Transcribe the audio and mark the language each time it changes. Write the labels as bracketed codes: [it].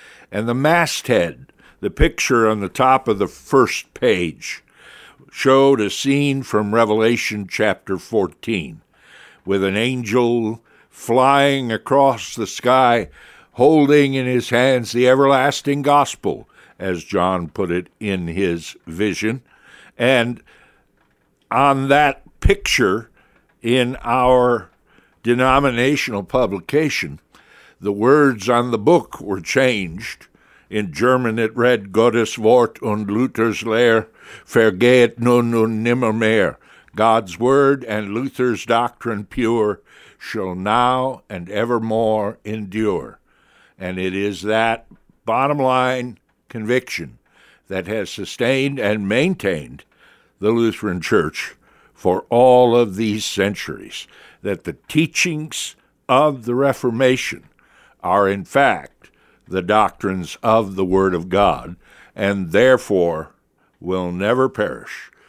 [en] And the masthead, the picture on the top of the first page, showed a scene from Revelation chapter 14 with an angel flying across the sky, holding in his hands the everlasting gospel, as John put it in his vision. And on that picture in our denominational publication, the words on the book were changed. In German it read, [de] Gottes Wort und Luther's Lehre vergeht nun und nimmermehr. [en] God's word and Luther's doctrine pure shall now and evermore endure. And it is that bottom line conviction that has sustained and maintained the Lutheran Church for all of these centuries, that the teachings of the Reformation are in fact the doctrines of the Word of God, and therefore will never perish.